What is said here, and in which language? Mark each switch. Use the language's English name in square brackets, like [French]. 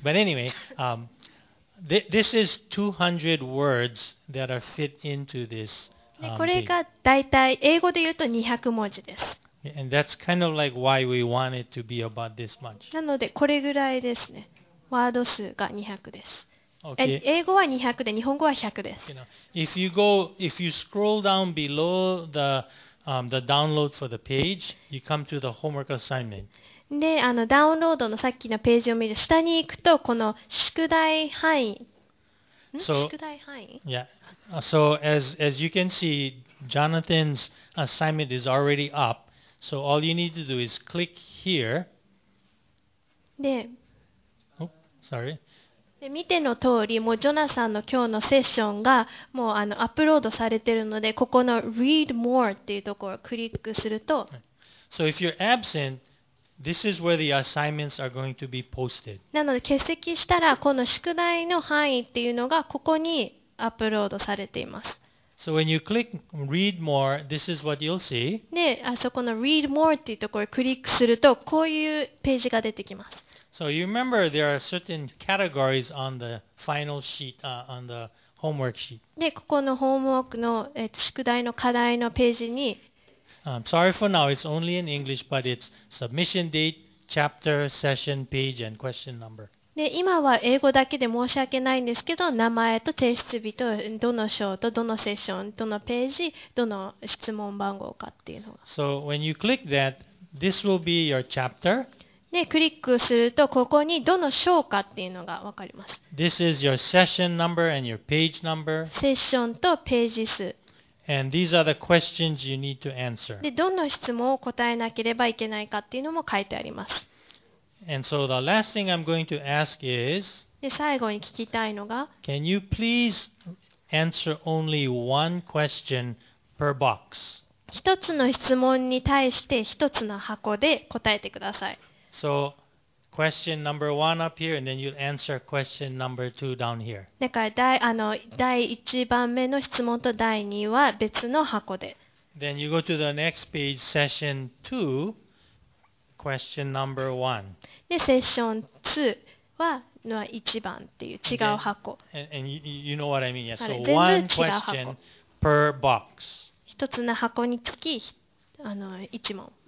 [English] But anyway, this is 200 words that are fit into this. [Japanese] これがだいたい英語で言うと200文字です。 [English] And that's kind of like why we want it to be about this much. [Japanese] なのでこれぐらいですね。ワード数が200です。 [English] Okay. [Japanese] 英語は200で日本語は100です。 [English] You know, if you scroll down below the download for the page, you come to the homework assignment. [Japanese] で、あのダウンロードのさっきのページを見る下に行くとこの宿題範囲、 [English] so, [Japanese] 宿題範囲 [English] yeah. So as you can see, Jonathan's assignment is already up. So all you need to do is click here. [Japanese] で、で見ての通り、もうジョナサンの今日のセッションがもうあのアップロードされているので、ここの Read More っていうところをクリックすると、 [English] So if you're absent,This is where the assignments are going to be posted. [Japanese] なので欠席したらこの宿題の範囲っていうのがここにアップロードされています。 [English] So when you click read more, this is what you'll see. [Japanese] で、あそこの read more っていうところをクリックするとこういうページが出てきます。 [English] So you remember there are certain categories on the final sheet, on the homework sheet. [Japanese] で、ここのホームワークの、宿題の課題のページに [English] Sorry for now, it's only in English, but it's submission date, chapter, session, page, and question number. [Japanese] で、今は英語だけで申し訳ないんですけど、名前と提出日と、どの章と、どのセッション、どのページ、どの質問番号かっていうのが。 [English] So when you click that, this will be your chapter. [Japanese] で、クリックすると、ここにどの章かっていうのがわかります。 [English] This is your session number and your page number. [Japanese] セッションとページ数。 [English] And these are the questions you need to answer. [Japanese] で、どの質問を答えなければいけないかっていうのも書いてあります。 [English] And so the last thing I'm going to ask is, [Japanese] で、最後に聞きたいのが、 [English] Can you please answer only one question per box? [Japanese] 一つの質問に対して一つの箱で答えてください。 [English] So, question number one up here, and then you'll answer question number two down here. [Japanese] だから第あの第一番目の質問と第二は別の箱で。 [English] Then you go to the next page, session two, question number one. [Japanese] で、セッション2はの一番っていう違う箱。 [English] And you know what I mean, yes. So one question per box. [Japanese] 一つの箱につきあの一問。